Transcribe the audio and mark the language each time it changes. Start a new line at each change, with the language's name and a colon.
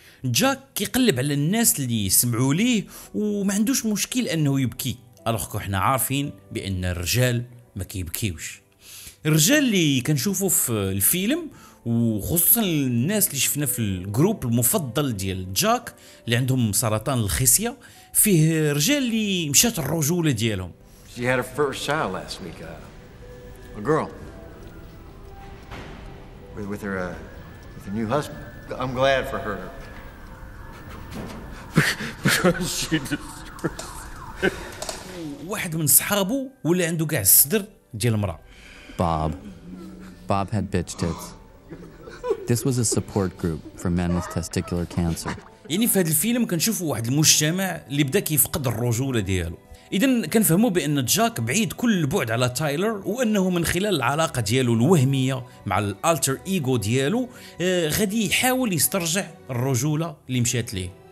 Arabic: جاك كيقلب على الناس اللي يسمعوا ليه وما عندوش مشكل انه يبكي، الوغكو حنا عارفين بان الرجال ما كيبكيوش. الرجال اللي كنشوفوا في الفيلم وخصوصا الناس اللي شفنا في الجروب المفضل ديال جاك اللي عندهم سرطان الخصيه، فيه رجال اللي مشات الرجوله ديالهم.
English: She had her first child last week. A girl. With her new husband. I'm glad for her.
Arabic: واحد من صحابه ولا عنده كاع الصدر ديال المراه.
English: Bob had bitch tits. This was a support group for men with testicular cancer.
Arabic: يعني في هذا الفيلم كنشوفوا واحد المجتمع اللي بدا كيفقد الرجوله ديالو. إذن كنفهموا بأن جاك بعيد كل البعد على تايلر، وأنه من خلال العلاقة ديالو الوهمية مع الألتر إيغو ديالو غادي يحاول يسترجع الرجولة اللي مشات ليه.